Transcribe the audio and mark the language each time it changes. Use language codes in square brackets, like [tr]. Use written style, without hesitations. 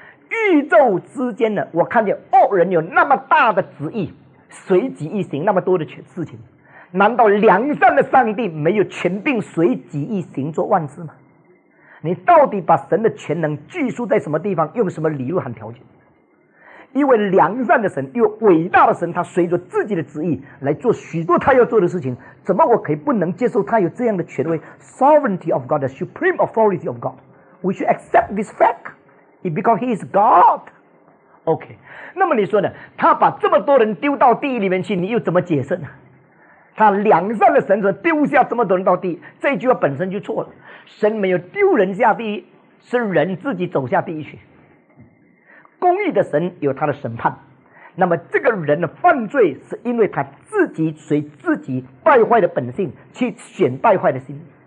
[zh] 宇宙之间呢，我看见恶人有那么大的旨意，随己意行那么多的事情，难道良善的上帝没有权柄随己意行做万事吗？你到底把神的全能拘束在什么地方，用什么理论和条件？因为良善的神，因为伟大的神，他随着自己的旨意来做许多他要做的事情，怎么我可以不能接受他有这样的权威？ [en] Sovereignty of God, the supreme authority of God, we should accept this fact because he is God. [zh] OK, 那么你说呢，他把这么多人丢到地里面去，你又怎么解释呢？他良善的神说丢下这么多人到地，这句话本身就错了。神没有丢人下地狱，是人自己走下地狱去。公义的神有他的审判，那么这个人的犯罪是因为他自己随自己败坏的本性去选败坏的心。